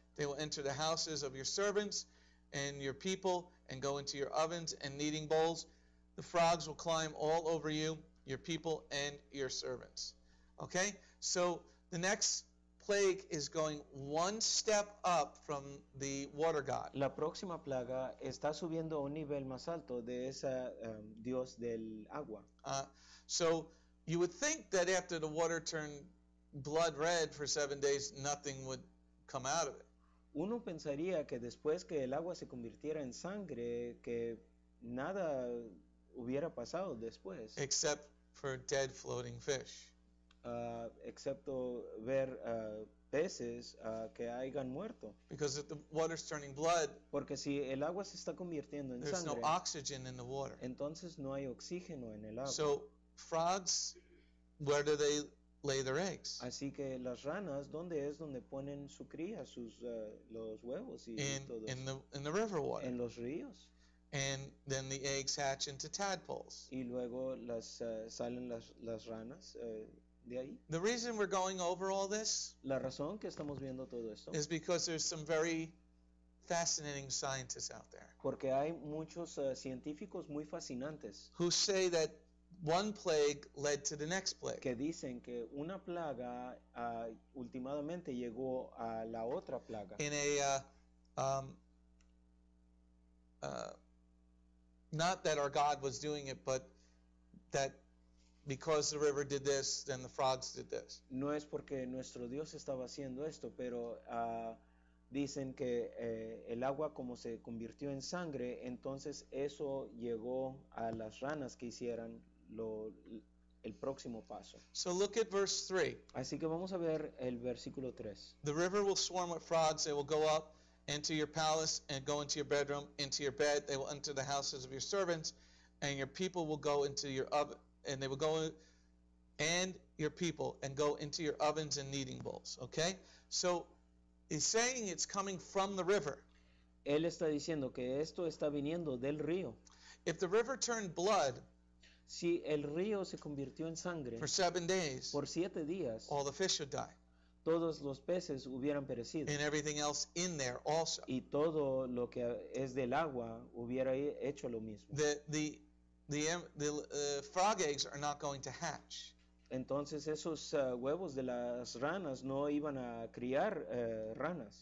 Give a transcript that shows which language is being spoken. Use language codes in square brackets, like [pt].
[en] They will enter the houses of your servants and your people and go into your ovens and kneading bowls. The frogs will climb all over you, your people, and your servants. Okay, so the next plague is going one step up from the water god. [es] La próxima plaga está subiendo a un nivel más alto de esa dios del agua. [en] So you would think that after the water turned blood red for 7 days, nothing would come out of it. [es] Uno pensaría que después que el agua se convirtiera en sangre, que nada hubiera pasado después. [en] Except for dead floating fish. [es] Excepto ver peces que hayan muerto. [en] Because if the water's turning blood, [es] porque si el agua se está convirtiendo en sangre, [en] there's no oxygen in the water. [es] Entonces no hay oxígeno en el agua. [en] So frogs, where do they lay their eggs? [es] Así que las ranas, ¿dónde es donde ponen su cría, los huevos y todo? [en] In the river water. [es] En los ríos. [en] And then the eggs hatch into tadpoles. [es] Y luego salen las ranas. de ahí. [en] The reason we're going over all this, [es] la razón que estamos viendo todo esto, [en] is because there's some very fascinating scientists out there. [es] Porque hay muchos científicos muy fascinantes. [en] Who say that one plague led to the next plague. [es] Que dicen que una plaga últimamente llegó a la otra plaga. [en] In a not that our God was doing it, but that because the river did this, then the frogs did this. [es] No es porque nuestro Dios estaba haciendo esto, pero dicen que el agua como se convirtió en sangre, entonces eso llegó a las ranas que hicieran el próximo paso. [en] So look at verse 3. [es] Así que vamos a ver el versículo 3. [en] The river will swarm with frogs. They will go up into your palace and go into your bedroom, into your bed. They will enter the houses of your servants, and your people will go into your oven, and they will go, and your people, and go into your ovens and kneading bowls. Okay? So he's saying it's coming from the river. [es] Él está diciendo que esto está viniendo del río. [en] If the river turned blood, [es] si el río se convirtió en sangre, [en] for 7 days, [es] por 7 días, [en] all the fish would die. [es] Todos los peces hubieran perecido. [en] And everything else in there also. [es] Y todo lo que es del agua hubiera hecho lo mismo. [en] The frog eggs are not going to hatch. [es] Entonces esos huevos de las ranas no iban a criar ranas.